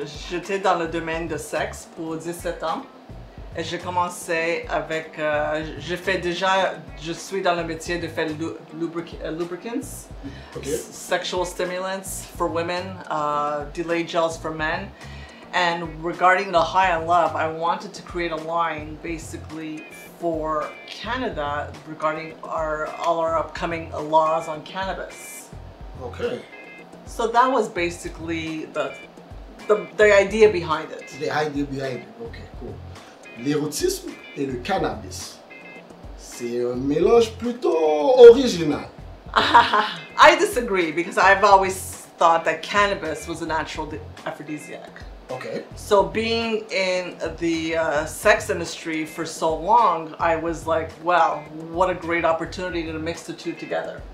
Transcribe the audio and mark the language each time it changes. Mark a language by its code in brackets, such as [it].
[fr] J'étais dans le domaine de sexe pour 17 ans. Et j'ai commencé avec, je suis dans le métier de faire lubricants, [en] okay. Sexual stimulants for women, delayed gels for men. And regarding the high and love, I wanted to create a line basically for Canada regarding all our upcoming laws on cannabis. Okay. So that was basically the idea behind it. The idea behind it, okay, cool. [fr] L'érotisme et le cannabis, c'est un mélange plutôt original. [en] I disagree because I've always thought that cannabis was a natural aphrodisiac. Okay. So being in the sex industry for so long, I was like, well, what a great opportunity to mix the two together.